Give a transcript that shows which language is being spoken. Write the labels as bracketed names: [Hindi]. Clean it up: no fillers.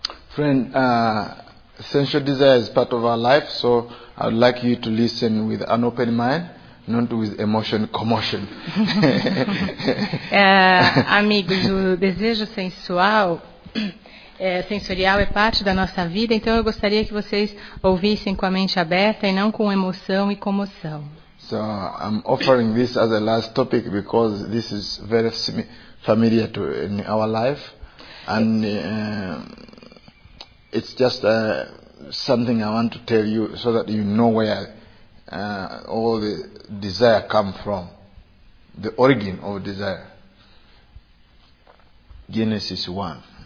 [English] Friend, sensual desire is part of our life, so I'd like you to listen with an open mind. Not with emotion commotion. [Portuguese] Amigos, o desejo sensual, sensorial é parte da nossa vida, então eu gostaria que vocês ouvissem com a mente aberta e não com emoção e comoção. [English] So I'm offering this as a last topic because this is very familiar to in our life, and it's just something I want to tell you so that you know where all the desire come from, the origin of desire, Genesis 1.